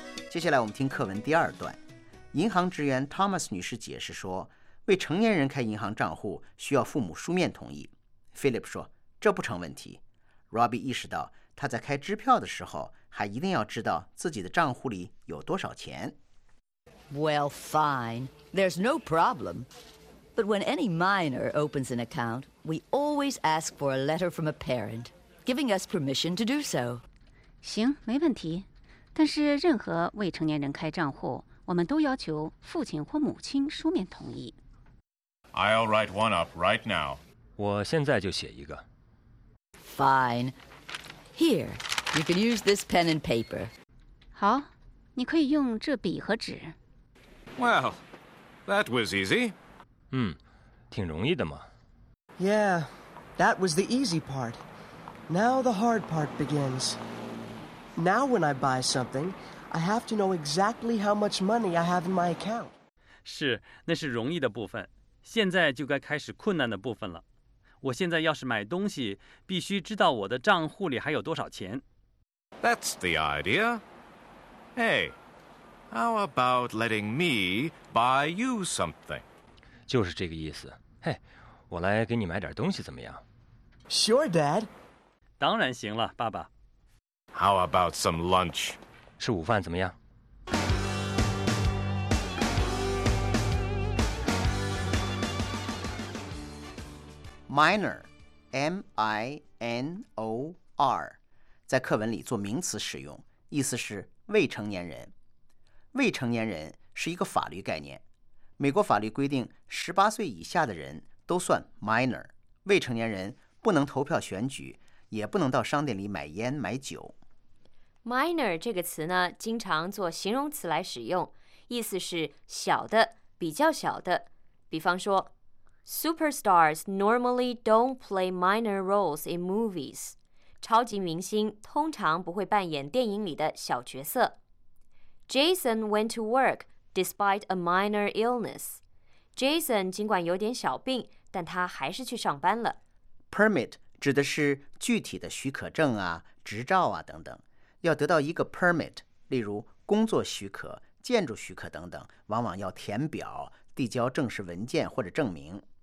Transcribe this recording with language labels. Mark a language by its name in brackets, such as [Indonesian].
[Chinese] 接下来我们听课文第二段。银行职员 Thomas 女士解释说，为成年人开银行账户需要父母书面同意。 Philip 说，这不成问题。Robbie 意识到，他在开支票的时候，还一定要知道自己的账户里有多少钱。 [English] Well, fine. There's no problem. But when any minor opens an account, we always ask for a letter from a parent, giving us permission to do so. [Chinese] 行，没问题。但是任何未成年人开账户我们都要求父亲或母亲书面同意。 [English] I'll write one up right now. [Chinese] 我现在就写一个。 [English] Fine. Here, you can use this pen and paper. [Chinese] 好，你可以用这笔和纸。 [English] Well, that was easy. [Chinese] 挺容易的嘛。 [English] Yeah, That was the easy part. Now the hard part begins. Now when I buy something, I have to know exactly how much money I have in my account. [Chinese] 是，那是容易的部分。现在就该开始困难的部分了。我现在要是买东西，必须知道我的账户里还有多少钱。 [English] That's the idea. Hey, how about letting me buy you something? [Chinese] 就是这个意思。嘿，我来给你买点东西怎么样？ [English] Sure, Dad. [Chinese] 当然行了，爸爸。 [English] How about some lunch? [Chinese] 吃午饭怎么样？ Minor, M-I-N-O-R, 在课文里做名词使用，意思是未成年人。未成年人是一个法律概念，美国法律规定18岁以下的人都算 minor, 未成年人不能投票选举，也不能到商店里买烟买酒。 Minor 这个词呢，经常做形容词来使用，意思是小的，比较小的。 [English] 比方说Superstars normally don't play minor roles in movies. [Chinese] 超级明星通常不会扮演电影里的小角色。 [English] Jason went to work despite a minor illness. [Chinese] Jason 尽管有点小病，但他还是去上班了。 Permit 指的是具体的许可证啊、执照啊等等。要得到一个 permit， 例如工作许可、建筑许可等等，往往要填表、递交正式文件或者证明。